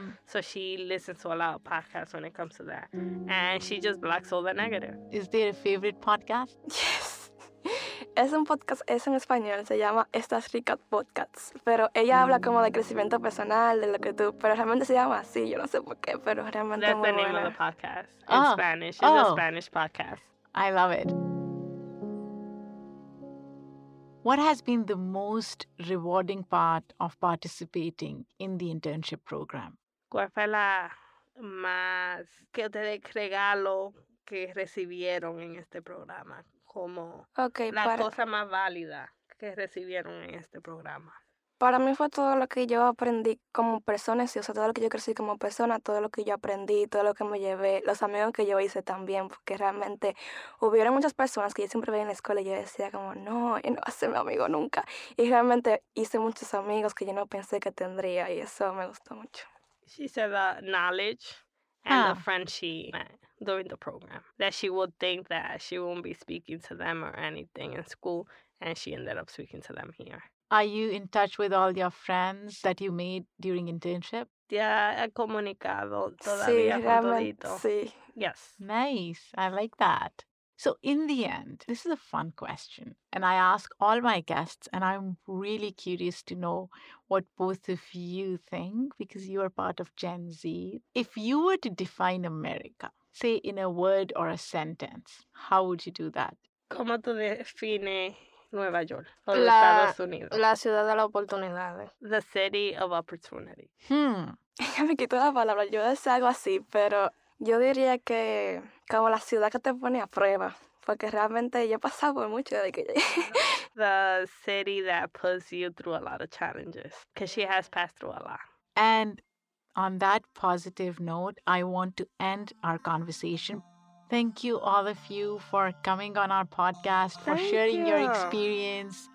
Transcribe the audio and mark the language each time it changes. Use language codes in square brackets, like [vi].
[en] So she listens to a lot of podcasts when it comes to that. And she just blocks all the negative. Is there a favorite podcast? Yes. [es] Es un podcast, es en español, se llama Estas Ricas Podcasts. Pero ella habla como de crecimiento personal, de lo que tú, pero realmente se llama así, yo no sé por qué, pero realmente [en] That's [es] muy [en] the name [es] buena. [en] Of the podcast in Spanish. It's a Spanish podcast. I love it. What has been the most rewarding part of participating in the internship program? [es] ¿Cuál fue la más que ustedes regalo que recibieron en este programa? Como la cosa más válida que recibieron en este programa. Para mí fue todo lo que yo aprendí como persona, sí, o sea, todo lo que yo crecí como persona, todo lo que yo aprendí, todo lo que me llevé, los amigos que yo hice también, porque realmente hubieron muchas personas que yo siempre veía en la escuela y yo decía como, no, yo no voy a ser mi amigo nunca. Y realmente hice muchos amigos que yo no pensé que tendría y eso me gustó mucho. [en] She said that knowledge and the friend she met during the program, that she would think that she won't be speaking to them or anything in school, and she ended up speaking to them here. Are you in touch with all your friends that you made during internship? Yes. Nice. I like that. So in the end, this is a fun question, and I ask all my guests, and I'm really curious to know what both of you think, because you are part of Gen Z. If you were to define America, say in a word or a sentence, how would you do that? [es] ¿Cómo tú defines Nueva York o los Estados Unidos? La ciudad de las oportunidades. [en] The city of opportunity. [es] Me quito la palabra. Yo decía algo así, pero yo diría que como la ciudad que te pone a prueba, porque realmente yo he pasado por mucho de que [en] The city that puts you through a lot of challenges, because she has passed through a lot. And on that positive note, I want to end our conversation. Thank you, all of you, for coming on our podcast, for sharing your experience.